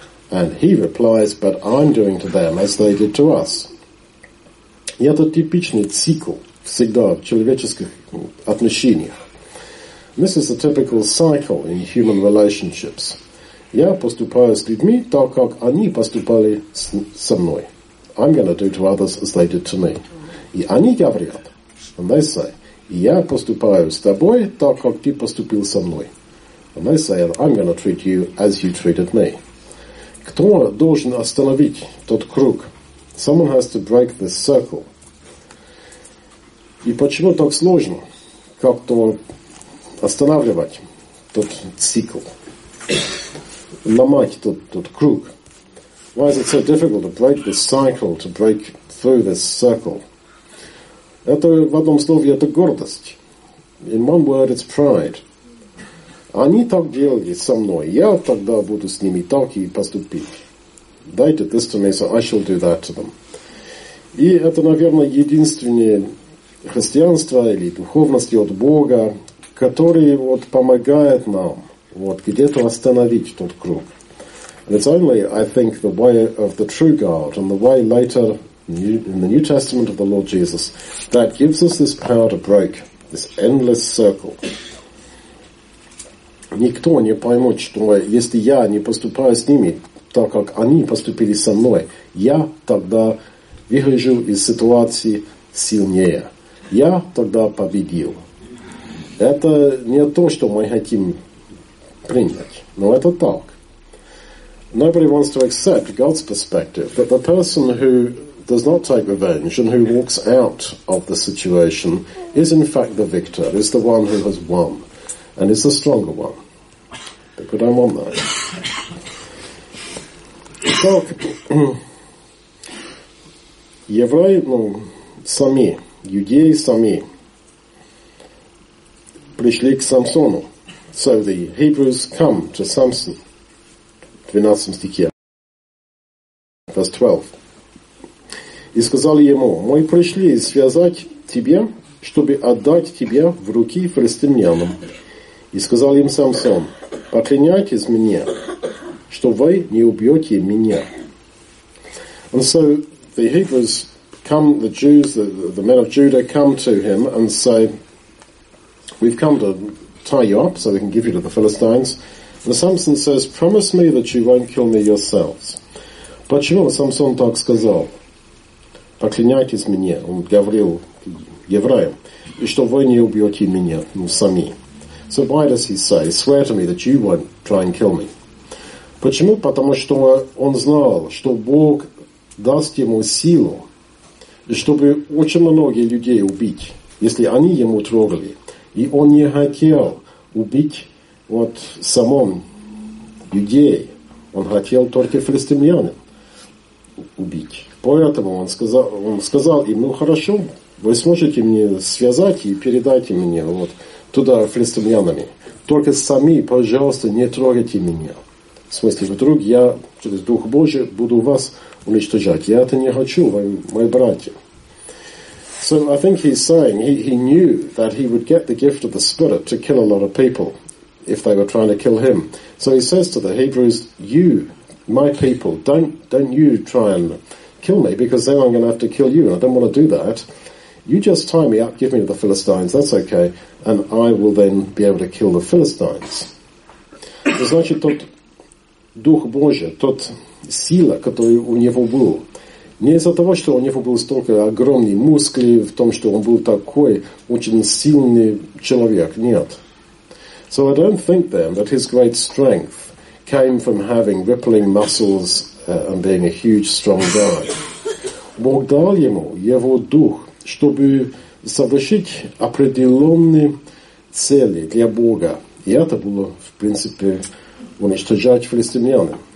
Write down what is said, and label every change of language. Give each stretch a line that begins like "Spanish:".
English: And he replies, but I'm doing to them as they did to us.
Russian: И это типичный цикл всегда в человеческих отношениях.
English: This is a typical cycle in human relationships.
Russian: Я поступаю с людьми так, как они поступали со мной.
English: I'm going to do to others as they did to me.
Russian: И они говорят,
English: and they say,
Russian: я поступаю с тобой так, как ты поступил со мной.
English: And they say, I'm going to treat you as you treated me.
Russian: Кто должен остановить тот круг?
English: Someone has to break this circle.
Russian: И почему так сложно как-то останавливать тот цикл? Ломать тот круг.
English: Why is it so difficult to break this cycle, to break through this circle?
Russian: Это в одном слове это гордость.
English: In one word it's pride.
Russian: Они так делали со мной, я тогда буду с ними так и поступить.
English: They did this to me, so I shall do that to them.
Russian: И это, наверное, единственное христианство или духовность от Бога, которое вот помогает нам вот где-то остановить тот круг.
English: And it's only, I think, the way of the true God and the way later in the New Testament of the Lord Jesus that gives us this power to break this endless circle.
Russian: Никто не поймет, что если я не поступаю с ними так, как они поступили со мной, я тогда выхожу из ситуации сильнее. Я тогда победил. Это не то, что мы хотим принять, но это так.
English: Nobody wants to accept God's perspective, that the person who does not take revenge and who walks out of the situation is in fact the victor, is the one who has won, and is the stronger one.
Russian: Так куда вам надо? Итак, евреи, ну, сами, иудеи сами пришли к Самсону.
English: So the Hebrews come to Samson.
Russian: 12 стихе.
English: Verse 12.
Russian: И сказали ему, мы пришли связать тебя, чтобы отдать тебя в руки филистимлянам. И сказал им Самсон, поклянитесь мне, что вы не убьете меня.
English: And so the Hebrews come, the Jews, the men of Judah come to him and say, we've come to tie you up so we can give you to the Philistines. And Samson says, promise me that you won't kill me yourselves.
Russian: Почему Самсон так сказал? Поклянитесь мне, он говорил евреям, и что вы не убьете меня, ну, сами.
English: So why does he say, swear to me that you won't try and kill me?
Russian: Почему? Потому что он знал, что Бог даст ему силу, чтобы очень многие людей убить, если они ему трогали. И он не хотел убить вот самом людей. Он хотел только филистимлянам убить. Поэтому он сказал им, ну хорошо, вы сможете мне связать и передайте мне вот туда филистимлянами. Только сами, пожалуйста, не трогайте меня. В смысле, вдруг я через Дух Божий буду вас уничтожать. Я это не хочу, мои братья.
English: So I think he's saying he knew that he would get the gift of the Spirit to kill a lot of people if they were trying to kill him. So he says to the Hebrews, you, my people, don't you try and kill me, because then I'm going to have to kill you, and I don't want to do that. You just tie me up, give me the Philistines, that's okay, and I will then be able to kill the Philistines.
Russian: Значит, тот Дух Божий, тот сила, который у него был, не из-за того, что у него был столько огромный мускли, в том, что он был такой очень сильный человек, нет.
English: So I don't think then that his great strength came from having rippling muscles and being a huge, strong guy.
Russian: Бог дал ему его дух, чтобы совершить определенные цели для Бога. И это было, в принципе, уничтожать филистимлян.